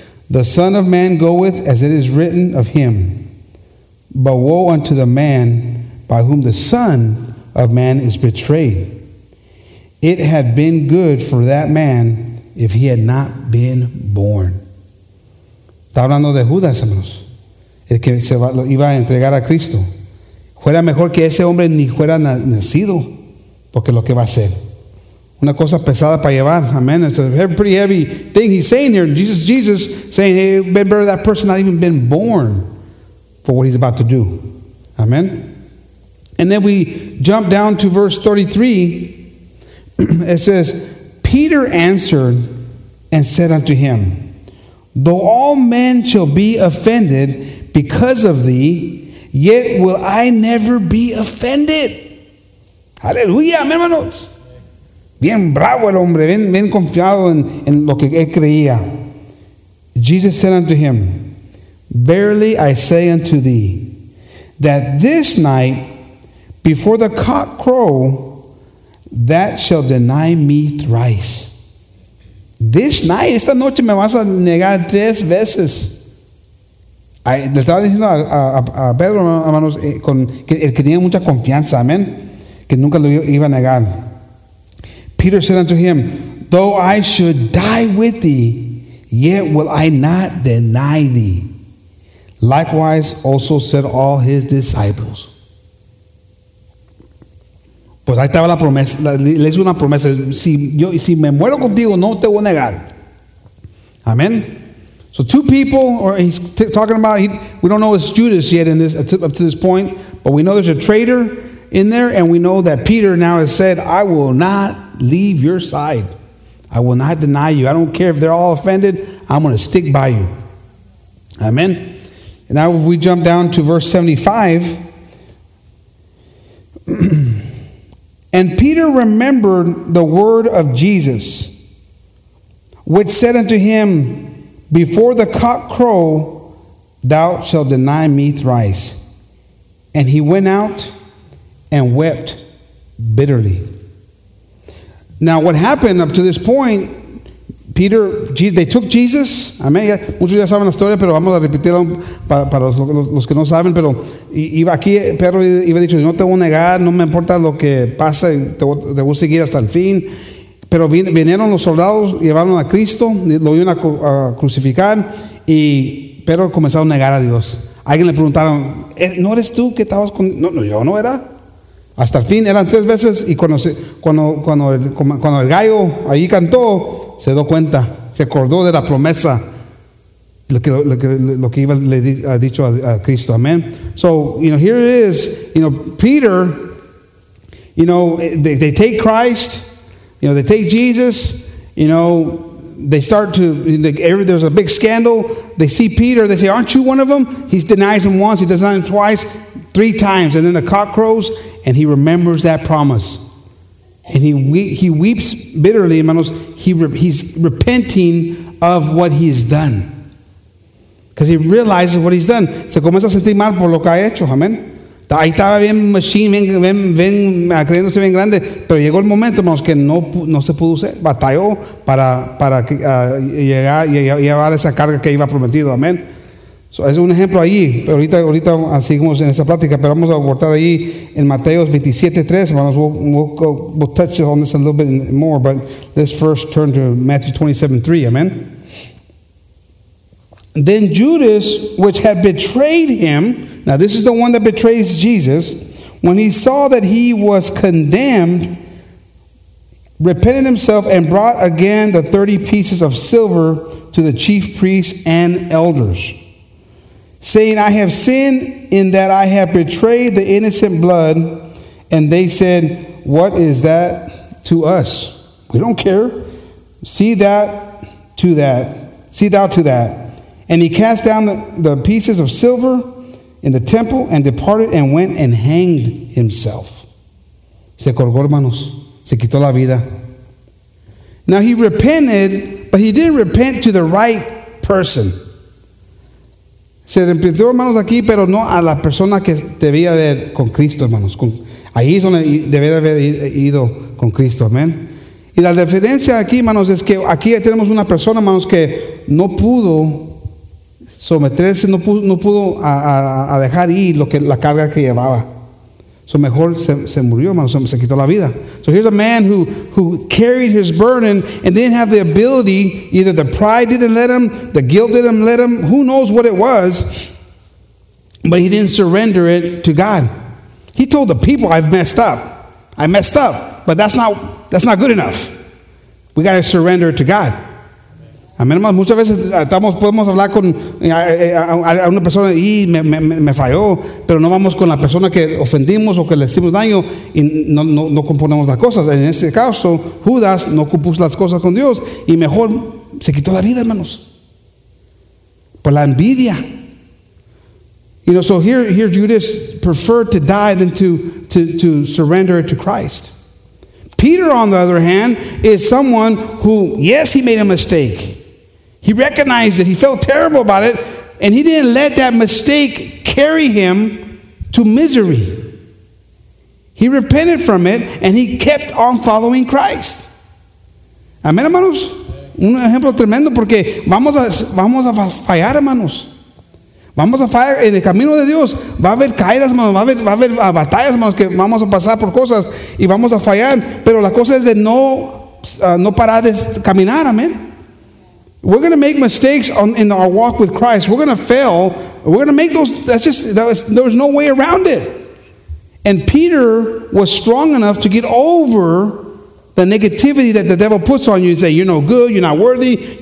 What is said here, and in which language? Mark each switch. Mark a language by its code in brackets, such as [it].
[en] The Son of Man goeth as it is written of him. But woe unto the man by whom the Son of Man is betrayed. It had been good for that man if he had not been born." [es] Está hablando de Judas, hermanos. El que se iba a entregar a Cristo. Fuera mejor que ese hombre ni fuera nacido, porque lo que va a hacer. Una cosa pesada para llevar. Amen. [en] It's a pretty heavy thing he's saying here. Jesus saying, "Hey, better that person not even been born for what he's about to do." Amen. And then we jump down to verse 33. It says, "Peter answered and said unto him, Though all men shall be offended because of thee, yet will I never be offended." [es] Aleluya, hermanos. Bien bravo el hombre, bien confiado en lo que él creía. [en] Jesus said unto him, "Verily I say unto thee, that this night, before the cock crow, that shall deny me thrice." This night, [es] esta noche me vas a negar tres veces. Le estaba diciendo a Pedro, hermanos, que tenía mucha confianza, amén, que nunca lo iba a negar. [en] Peter said unto him, "Though I should die with thee, yet will I not deny thee." Likewise also said all his disciples. [es] Pues ahí estaba la promesa, le hice una promesa, si me muero contigo, no te voy a negar. Amén. [en] So two people, or he's talking about, we don't know it's Judas yet in this up to this point, but we know there's a traitor in there, and we know that Peter now has said, "I will not leave your side. I will not deny you. I don't care if they're all offended. I'm going to stick by you." Amen. And now if we jump down to verse 75. "And Peter remembered the word of Jesus, which said unto him, Before the cock crow, thou shalt deny me thrice. And he went out and wept bitterly." Now, what happened up to this point, Peter, they took Jesus. Amén. [es] Muchos ya saben la historia, pero vamos a repetirlo para los que no saben. Pero iba aquí, Pedro iba dicho, no te voy a negar, no me importa lo que pase, te voy a seguir hasta el fin. Pero vinieron los soldados, llevaron a Cristo, lo iban a crucificar, y Pedro comenzó a negar a Dios. Alguien le preguntaron, ¿no eres tú que estabas con...? No, yo no era. Hasta el fin, eran tres veces, y cuando el gallo ahí cantó, se dio cuenta, se acordó de la promesa, lo que iba le ha dicho a Cristo. Amén. [en] So, you know, here it is, you know, Peter, you know, they take Christ, you know, they take Jesus, you know, they start to, there's a big scandal, they see Peter, they say, aren't you one of them? He denies him once, he denies him twice, three times, and then the cock crows, and he remembers that promise. And he weeps bitterly, hermanos. He's repenting of what he's done. Because he realizes what he's done. [es] Se comienza a sentir mal por lo que ha hecho, amén. Ahí estaba bien machine, bien creyéndose bien grande. Pero llegó el momento, hermanos, que no se pudo hacer. Batalló para llegar y llevar esa carga que iba prometido, amén. So, es un ejemplo ahí, pero ahorita seguimos en esa plática, pero vamos a cortar ahí en Mateo 27:3. [en] Hermanos, we'll touch on this a little bit more, but let's first turn to Matthew 27:3. Amen. Then Judas, which had betrayed him, now this is the one that betrays Jesus, when he saw that he was condemned, repented himself and brought again the 30 pieces of silver to the chief priests and elders, saying, I have sinned in that I have betrayed the innocent blood. And they said, what is that to us? We don't care. See thou to that. And he cast down the pieces of silver in the temple and departed and went and hanged himself. [es] Se colgó, hermanos. Se quitó la vida. [en] Now he repented, but he didn't repent to the right person. [es] Se arrepintió, hermanos, aquí, pero no a la persona que debía haber con Cristo, hermanos. Ahí es donde debía haber ido con Cristo, amén. Y la diferencia aquí, hermanos, es que aquí tenemos una persona, hermanos, que no pudo someterse, no pudo dejar ir la carga que llevaba. So mejor se murió, hermanos, se quitó la vida. [en] So here's a man who carried his burden and didn't have the ability, either the pride didn't let him, the guilt didn't let him, who knows what it was, but he didn't surrender it to God. He told the people, I messed up, but that's not good enough. We got to surrender it to God. [es] Amén, hermanos, muchas veces podemos hablar con a una persona y me falló, pero no vamos con la persona que ofendimos o que le hicimos daño y no componemos las cosas. En este caso, Judas no compuso las cosas con Dios y mejor se quitó la vida, hermanos, por la envidia. [en] You know, so here Judas preferred to die than to surrender to Christ. Peter, on the other hand, is someone who, yes, he made a mistake. He recognized it. He felt terrible about it. And he didn't let that mistake carry him to misery. He repented from it and he kept on following Christ. [es] Amén, hermanos. Un ejemplo tremendo porque vamos a fallar, hermanos. Vamos a fallar en el camino de Dios. Va a haber caídas, hermanos. Va a haber batallas, hermanos, que vamos a pasar por cosas y vamos a fallar. Pero la cosa es de no parar de caminar. Amén. [en] We're going to make mistakes in our walk with Christ. We're going to fail. We're going to make those. There's no way around it. And Peter was strong enough to get over the negativity that the devil puts on you. He said, you're no good. You're not worthy.